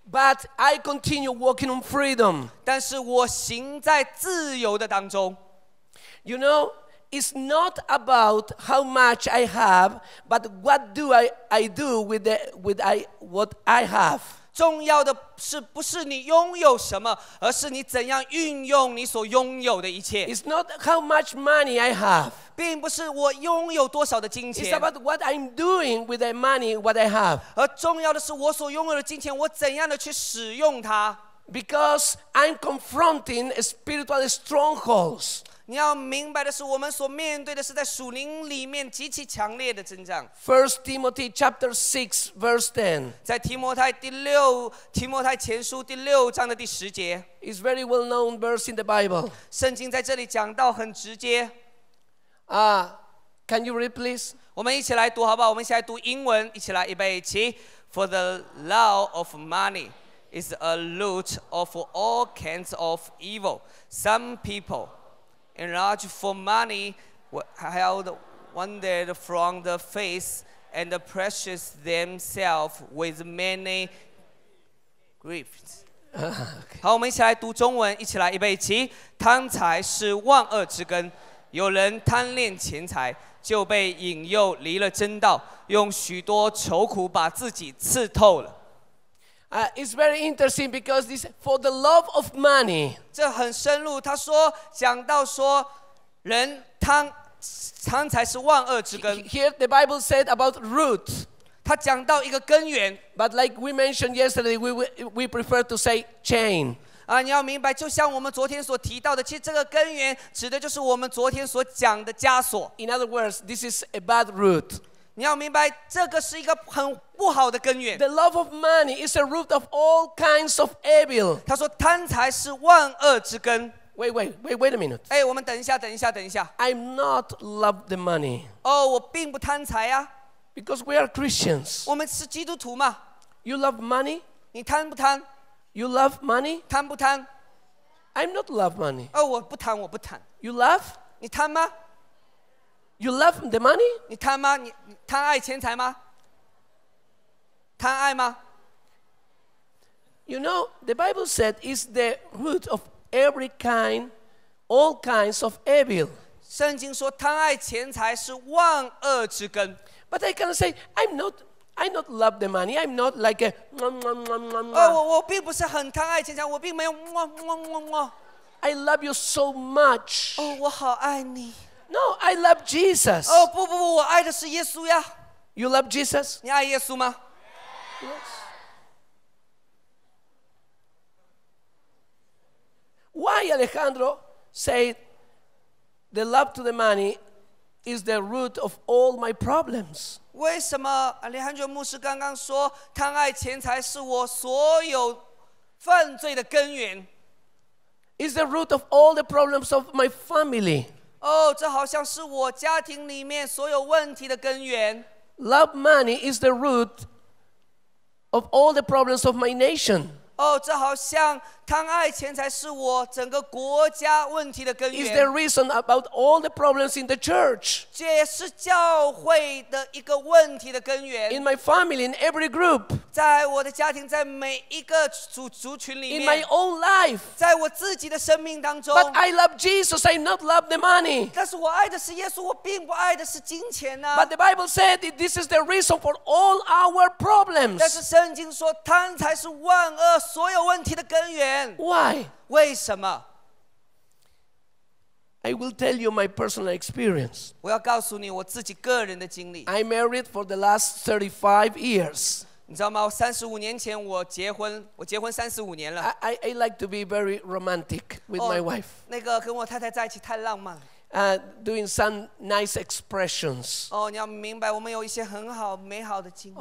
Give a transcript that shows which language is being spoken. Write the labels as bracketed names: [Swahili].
[English] But I continue walking on freedom. [Chinese] 但是我行在自由的当中。 [English] You know, it's not about how much I have, but what do I do what I have. [Chinese] 重要的是不是你拥有什么，而是你怎样运用你所拥有的一切。 [English] It's not how much money I have. [Chinese] 并不是我拥有多少的金钱。 [English] It's about what I'm doing with the money, what I have. [Chinese] 而重要的是我所拥有的金钱，我怎样的去使用它。 [English] Because I'm confronting spiritual strongholds. [Chinese] 你要明白的是，我们所面对的是在属灵里面极其强烈的征战。 [English] First Timothy chapter 6 verse 10. [Chinese] 在提摩太前书第六章的第十节。 [English] It's very well known verse in the Bible. [Chinese] 圣经在这里讲到很直接。 [English] Can you read, please? [Chinese] 我们一起来读好不好？我们一起来读英文，一起来，预备，起。 [English] For the love of money is a root of all kinds of evil. Some people, enraged for money, held wandered from the faith and precious themselves with many griefs. [Chinese] 好，我们一起来读中文，一起来，预备，起。贪财是万恶之根。有人贪恋钱财，就被引诱离了真道，用许多愁苦把自己刺透了。 [English] It's very interesting because this for the love of money. [Chinese] 这很深入，他说讲到说人贪财是万恶之根。 [English] Here the Bible said about root. [Chinese] 他讲到一个根源。 [English] But like we mentioned yesterday, we prefer to say chain. [Chinese] 你要明白，就像我们昨天所提到的，其实这个根源指的就是我们昨天所讲的枷锁。 [English] In other words, this is a bad root. [Chinese] 你要明白，这个是一个很不好的根源。 [English] The love of money is a root of all kinds of evil. [Chinese] 他说，贪财是万恶之根。 [English] Wait a minute. [Chinese] 哎，我们等一下。 [English] I'm not love the money. [Chinese] 哦，我并不贪财啊。 [English] Because we are Christians. [Chinese] 我们是基督徒嘛。 [English] You love money? [Chinese] 你贪不贪？ [English] You love money? [Chinese] 贪不贪? [English] I'm not love money. [Chinese] 哦，我不贪，我不贪。 [English] You love? [Chinese] 你贪吗? [English] You love the money? [Chinese] 你贪吗?你贪爱钱财吗?贪爱吗? [English] You know, the Bible said it's the root of every kind, all kinds of evil. [Chinese] 圣经说贪爱钱财是万恶之根。 [English] But I can say, I'm not love the money. I'm not like a. [Chinese] I 并不是很贪爱钱财，我并没有么么么么。 [English] I love you so much. [Chinese] 哦，我好爱你。 [English] No, I love Jesus. [Chinese] 哦，不，我爱的是耶稣呀。 [English] You love Jesus? [Chinese] 你爱耶稣吗 [English] ？Yes. Why Alejandro said the love to the money is the root of all my problems? [Chinese] 为什么 Alejandro 牧师刚刚说贪爱钱财是我所有犯罪的根源 [English] ？It's the root of all the problems of my family. [Chinese] 哦，这好像是我家庭里面所有问题的根源。 Love money is the root of all the problems of my nation. 哦，这好像贪爱钱财是我整个国家问题的根源。 [English] Is the reason about all the problems in the church? [Chinese] 这也是教会的一个问题的根源。 [English] In my family, in every group. [Chinese] 在我的家庭，在每一个族群里面。 [English] In my own life. [Chinese] 在我自己的生命当中。 [English] But I love Jesus. I not love the money. [Chinese] 但是我爱的是耶稣，我并不爱的是金钱呐。 [English] But the Bible said that this is the reason for all our problems. [Chinese] 但是圣经说，贪财是万恶所有问题的根源。 [English] Why? [Chinese] 为什么? [English] I will tell you my personal experience. [Chinese] 我要告诉你我自己个人的经历。 [English] I married for the last 35 years. [Chinese] 你知道吗?35年前我结婚35年了。 [English] I like to be very romantic with my wife. [Chinese] 那个跟我太太在一起太浪漫了。 [English] Doing some nice expressions. [Chinese] Oh, 你要明白我们有一些很好美好的经历。